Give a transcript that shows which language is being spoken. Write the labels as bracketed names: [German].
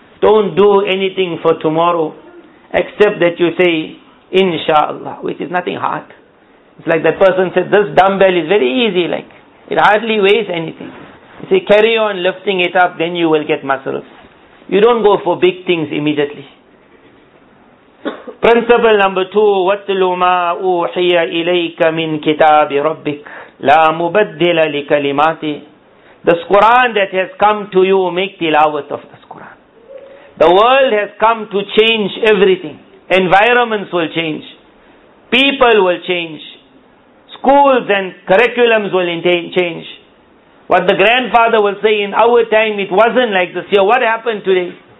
[English] Don't do anything for tomorrow, except that you say, Inshallah, which is nothing hard. It's like that person said, this dumbbell is very easy, like, it hardly weighs anything. You say, carry on lifting it up, then you will get muscles. You don't go for big things immediately. Principle number 2, [Arabic] وَاتْلُ مَا أُوحِيَ إِلَيْكَ مِنْ كِتَابِ رَبِّكَ لَا مُبَدِّلَ لِكَلِمَاتِ. [English] This Quran that has come to you, make tilawat of this Quran. The world has come to change everything. Environments will change. People will change. Schools and curriculums will change. What the grandfather will say, in our time it wasn't like this. Here, what happened today?